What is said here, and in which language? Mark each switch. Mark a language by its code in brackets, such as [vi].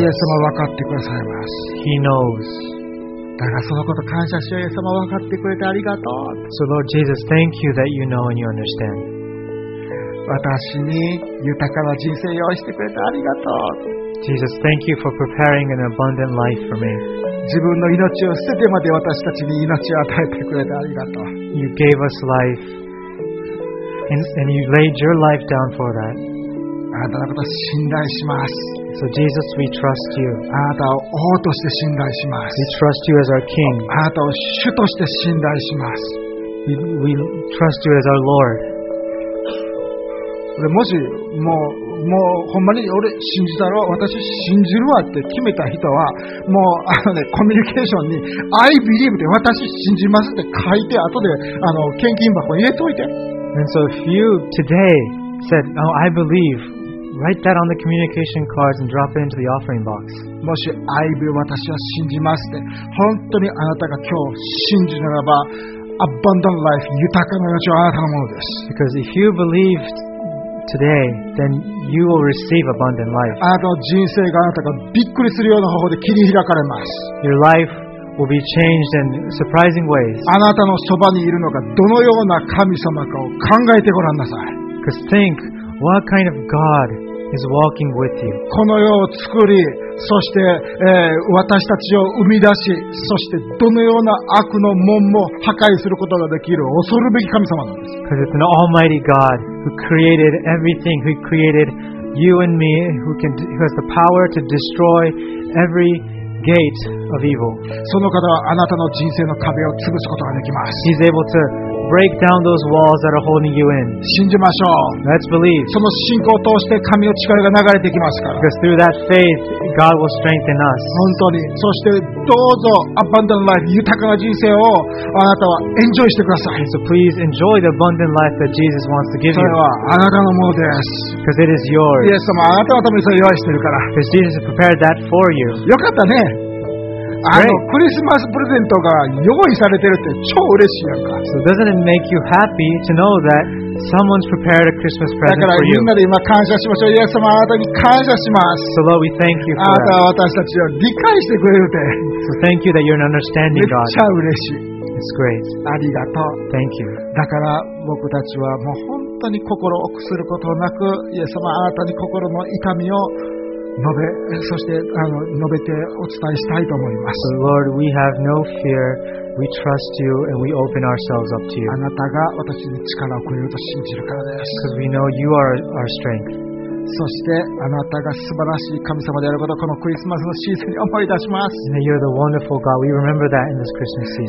[ja] イエス様分かってくださいます。 [en] He knows. [ja] だからそのこと感謝しよう。イエス様分かってくれてありがとう。 [en] So Lord Jesus, thank you that you know and you understand. [ja] 私に豊かな人生を用意してくれてありがとう。 [en] Jesus, thank you for preparing an abundant life for me. [ja] 自分の命を捨ててまで私たちに命を与えてくれてありがとう。 [en] You gave us life, and you laid your life down for that. [ja] あなたのことを信頼します。 [en] So Jesus, we trust you. [ja] あなたを王として信頼します。 [en] We trust you as our King. [ja] あなたを主として信頼します。 [en] We trust you as our Lord. [ja] もしもうほんまに俺信じたろ、私信じるわって決めた人は、もうあのね、コミュニケーションに [en] I believe [ja] で私信じますって書いて、後であの献金箱に入れといて。 [en] And so if you today. Said, oh, I believe. Write that on the communication cards and drop it into the offering box. [ja] もし [en] I believe [ja] 私は信じますって本当にあなたが今日信じならば [en] abundant life, [ja] 豊かな命はあなたのものです。 [en] Because if you believe today, then you will receive abundant life. [ja] あなたの人生があなたがびっくりするような方法で切り開かれます。 [en] Your life will be changed in surprising ways. [ja] あなたのそばにいるのがどのような神様かを考えてごらんなさい。 [en] Because think, what kind of God is walking with you? [ja] この世を作り、そして、私たちを生み出し、そしてどのような悪の門も破壊することができる恐るべき神様なんです。 [en] Because it's an almighty God who created everything, who created you and me, who has the power to destroy every gate of evil. [ja] その方はあなたの人生の壁を潰すことができます。 [en] He's able to break down those walls that are holding you in. [ja] 信じましょう。 [en] Let's believe. [ja] その信仰を通して神の力が流れてきますから。 [en] Because through that faith, God will strengthen us. [ja] 本当に。そしてどうぞ [en] abundant life, [ja] 豊かな人生をあなたは enjoy してください。 [en] So please enjoy the abundant life that Jesus wants to give you. [ja] それはあなたのものです。 [en] Because it is yours. [ja] イエス様、あなたのためにそれを用意してるから。 [en] Because Jesus has prepared that for you. [ja] よかったね。あのクリスマスプレゼントが用意されてるって超嬉しいやんか。 [en] So doesn't it make you happy to know that someone's prepared a Christmas present for you? [ja] だからみんなで今感謝しましょう。イエス様、あなたに感謝します。 [en] So Lord, we thank you for that. [ja] あなたは私たちを理解してくれるって。 [en] So thank you that you're an understanding God. [ja] めっちゃ嬉しい。 [en] It's great. [ja] ありがとう。 [en] Thank you. [ja] だから僕たちはもう本当に心を臆することなく、イエス様、あなたに心の痛みを述べ、そして述べてお伝えしたいと思います。 [en] So、Lord, we have no fear. We trust you and we open ourselves up to you. [ja] あなたが私に力をくれると信じるからです。 [en] Because we know you are our strength. [ja] そしてあなたが素晴らしい神様であることをこのクリスマスのシーズンに思い出します。 [en] And you're the wonderful God. We remember that in this Christmas season.